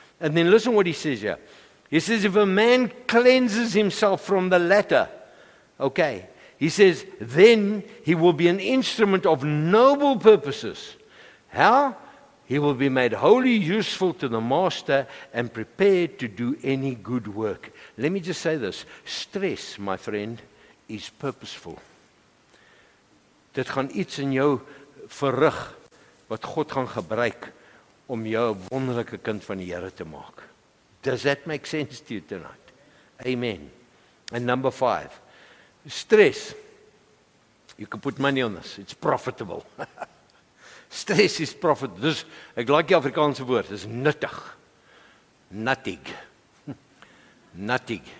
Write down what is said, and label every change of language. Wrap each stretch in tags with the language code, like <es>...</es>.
<en>And then listen what he says here. He says, if a man cleanses himself from the latter, okay, he says, then he will be an instrument of noble purposes. How? He will be made wholly useful to the master and prepared to do any good work. Let me just say this. Stress, my friend, is purposeful.</en> <af>Dit gaan iets in jou verrig wat God gaan gebruik om jou 'n wonderlike kind van die Here te maak.</af> <en>Does that make sense to you tonight? Amen. And number five. Stress. You can put money on this. It's profitable. Stress is profit.</en> <af>Dis, ek like die Afrikaanse woord, is nuttig. Nuttig. Nuttig.</af>